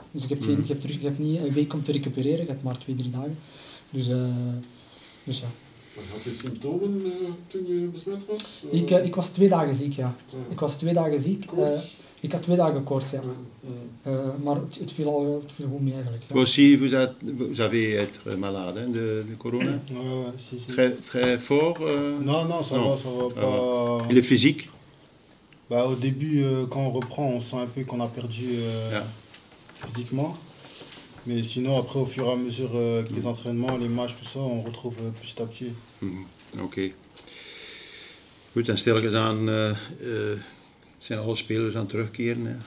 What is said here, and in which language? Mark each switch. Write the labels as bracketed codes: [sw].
[nl] Dus ik heb, niet een week om te recupereren. Ik heb maar 2-3 dagen. Dus. Had je symptomen toen je besmet was? Ik was 2 dagen ziek, ja. Ik was 2 dagen ziek. Koorts? Ik had 2 dagen koorts, ja. Maar het viel al het viel goed mee, eigenlijk. Ja. [fr] Vous avez été malade, hein, de corona? Ouais, si. Très fort? Non, ça va. Pas... Et le physique? Au début, quand on reprend, on sent un peu qu'on a perdu physiquement. Mais sinon, après, au fur et à mesure que les entraînements, les matchs, tout ça, on retrouve petit à petit. Ok. [nl] Goed, en stilkens aan zijn alle spelers aan terugkeren. Hè.